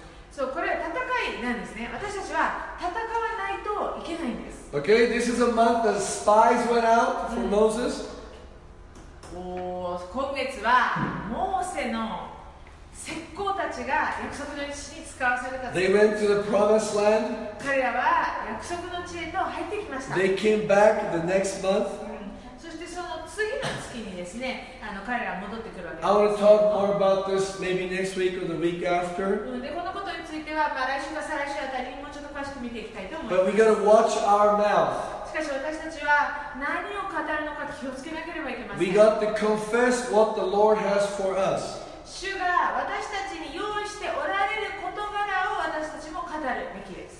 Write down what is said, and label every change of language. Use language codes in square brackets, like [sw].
[ja] そう、これは戦いなんですね。私たちは戦わないといけないんです。 [en] Okay, this is a month that spies went out for Moses. [ja] おー、今月はモーセの石膏たちが約束の地に使わされた。 [en] They went to the promised land. [ja] 彼らは約束の地へと入ってきました。 [en] They came back the next month. [ja] 次の月にですね、彼ら戻ってくるわけです。 [en] I want to talk more about this maybe next week or the week after.、うん、で、 [ja] このことについては、まあ、来週か再来週あたりにもうちょっと詳しく見ていきたいと思います。 [en] But we gotta watch our mouth. [ja] しかし私たちは何を語るのか気をつけなければいけません。 [en] We got to confess what the Lord has for us. [ja] 主が私たちに用意しておられる事柄を私たちも語るべきです。